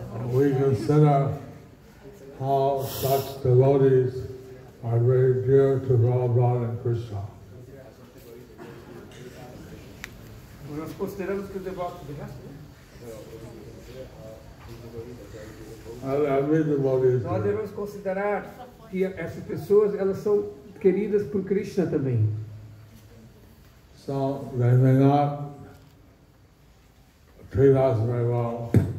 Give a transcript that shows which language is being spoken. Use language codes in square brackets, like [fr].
[en] We consider how such devotees are very dear to Prabhupada and Krishna. [pt] Nós devemos considerar que essas pessoas elas são queridas por Krishna também. [en] So they may not treat us very well.